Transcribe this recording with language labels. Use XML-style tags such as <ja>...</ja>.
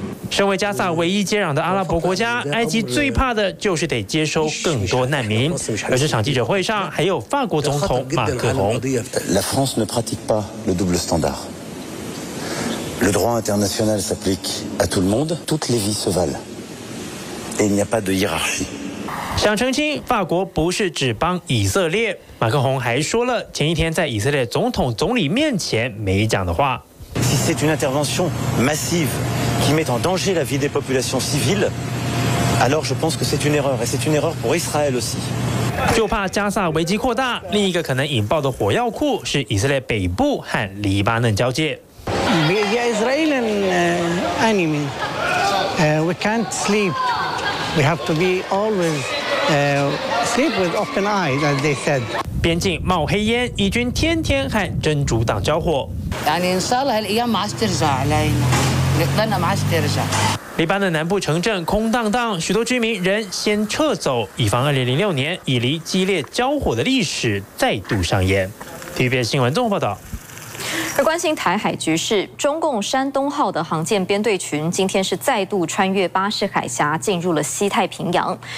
<zh>身为加萨唯一接壤的阿拉伯国家，埃及最怕的就是得接收更多难民。而这场记者会上还有法国总统马克龙。</zh> <fr>La France ne pratique pas le double standard. Le droit international s'applique à tout le monde. Toutes les vies se valent. Et il n'y a pas de hiérarchie.</fr> <zh>想澄清，法国不是只帮以色列。马克龙还说了前一天在以色列总统总理面前没讲的话。</zh> <fr>Si c'est une intervention massive. Qui met en danger la vie des populations civiles, alors je pense que c'est une erreur, et c'est une erreur pour Israël aussi.</fr> <zh>就怕加萨危机扩大，另一个可能引爆的火药库是以色列北部和黎巴嫩交界。</zh> <en>We are Israel and enemy. We can't sleep. We have to be always sleep with open eyes, as they said.</en> <zh>边境冒黑烟，以军天天和真主党交火。</zh> <ar>يعني إن شاء الله هالأيام ما عسترجع علينا.</ar> <zh>黎巴嫩南部城镇空荡荡，许多居民仍先撤走，以防2006年以黎激烈交火的历史再度上演。 TVBS 新闻综合报道。而关心台海局势，中共山东号的航舰编队群今天是再度穿越巴士海峡进入了西太平洋。</zh>